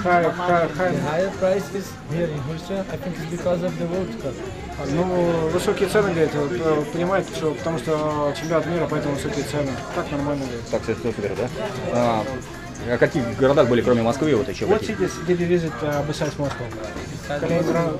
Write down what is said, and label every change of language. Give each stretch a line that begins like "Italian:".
English: higher prices here in Russia, I think it's because of the World Cup.
Russian: Ну, высокие цены, говорит, понимаете, что, потому что чемпионат мира, поэтому высокие цены. Так нормально, говорит. Так, все супер, да? А какие города были, кроме Москвы, вот еще какие?
English: What cities did you visit besides Moscow?